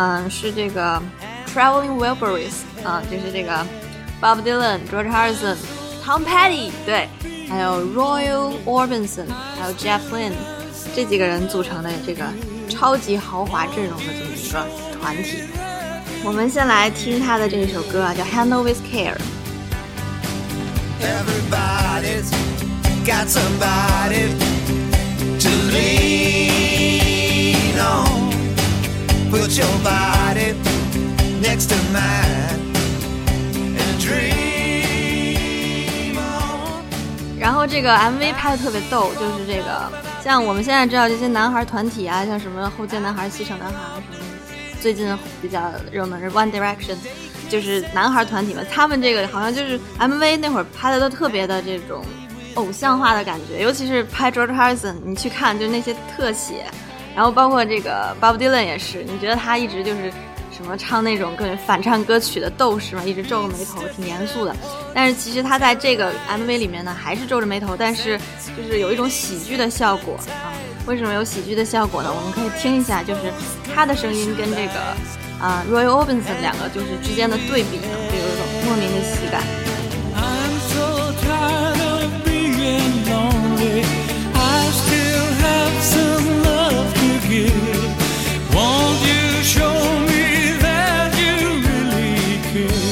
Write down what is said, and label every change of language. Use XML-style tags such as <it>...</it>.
<zh>是这个 Traveling Wilburys 啊，就是这个 Bob Dylan、George Harrison、Tom Petty 对，还有 Roy Orbison 还有 Jeff Lynne 这几个人组成的这个超级豪华阵容的这么一个团体。我们先来听他的这一首歌啊，叫 Handle With Care。</zh> <en>Everybody's got somebody to lean on. Put your body next to mine and dream on.</en> <zh>然后这个 MV 拍得特别逗，就是这个像我们现在知道这些男孩团体啊，像什么后街男孩、西城男孩什么的，最近比较热门是 One Direction， 就是男孩团体嘛。他们这个好像就是 MV 那会儿拍的都特别的这种偶像化的感觉，尤其是拍 George Harrison， 你去看就那些特写，然后包括这个 Bob Dylan 也是，你觉得他一直就是什么唱那种跟反唱歌曲的斗士嘛，一直皱个眉头，挺严肃的。但是其实他在这个 MV 里面呢，还是皱着眉头，但是就是有一种喜剧的效果啊。为什么有喜剧的效果呢？我们可以听一下，就是他的声音跟这个Roy Orbison 两个就是之间的对比，就有一种莫名的喜感。</zh> <en>I'm so tired of being lonely. I still have some love to give. Won't you show me that you really care?</en>